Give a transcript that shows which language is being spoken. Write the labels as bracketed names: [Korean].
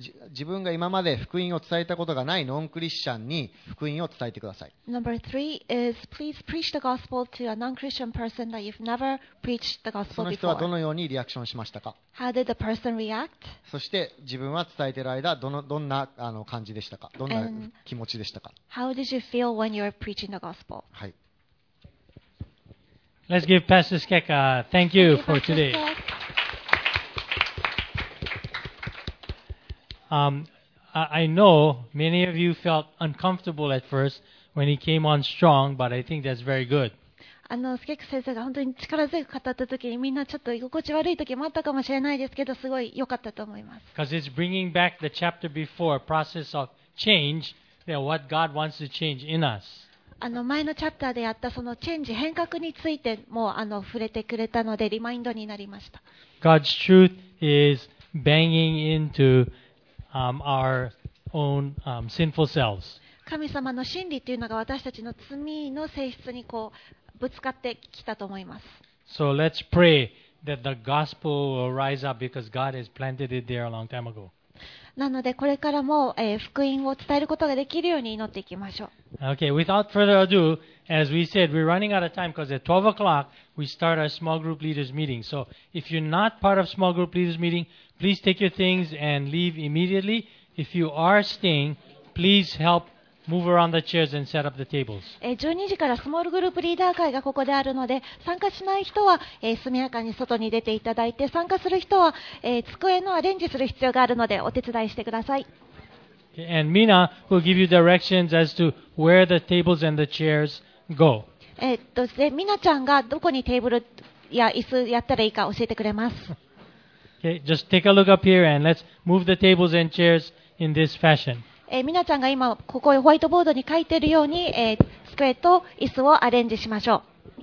[Japanese] 自分が今まで福音を伝えたことがないノンクリスチャンに福音を伝えてください。 [English] Number three is please preach the gospel to a non-Christian person that you've never preached the gospel before. [Japanese] その人はどのようにリアクションしましたか [English] ？How did the person react？ [Japanese] そして自分は伝えている間どんな感じでしたか？どんな気持ちでしたか [English] ？How did you feel when you were preaching the gospel？ [Japanese] はい。 [English] Let's give Pastor Skek a thank you for today. I know many of you felt uncomfortable at first when he came on strong, but I think that's very good. [Japanese] Skek 先生が本当に力強く語った時にみんなちょっと居心地悪い時もあったかもしれないですけど、すごい良かったと思います。 [English] Because it's bringing back the chapter before, process of change, you know, what God wants to change in us. [Japanese] 前のチャプターでやったそのチェンジ変革についても触れてくれたのでリマインドになりました。 [English] God's truth is banging into our own sinful selves. [Japanese] 神様の真理というのが私たちの罪の性質にこうぶつかってきたと思います。 [English] So let's pray that the gospel will rise up because God has planted it there a long time ago. [Japanese] なのでこれからも福音を伝えることができるように祈っていきましょう。 [English] Okay, without further ado, as we said, we're running out of time because at 12 o'clock we start our small group leaders meeting. So if you're not part of small group leaders meeting, please take your things and leave immediately. If you are staying, please help move around the chairs and set up the tables. [Japanese] 12時からスモールグループリーダー会がここであるので、参加しない人は速やかに外に出ていただいて、参加する人は机のアレンジする必要があるのでお手伝いしてください。 [English] And Mina will give you directions as to where the tables and the chairs go. [Japanese] ミナちゃんがどこにテーブルや椅子やったらいいか教えてくれます。 [English] Okay, just take a look up here and let's move the tables and chairs in this fashion. [Japanese] みなちゃんが今ここへホワイトボードに書いているように机と椅子をアレンジしましょう。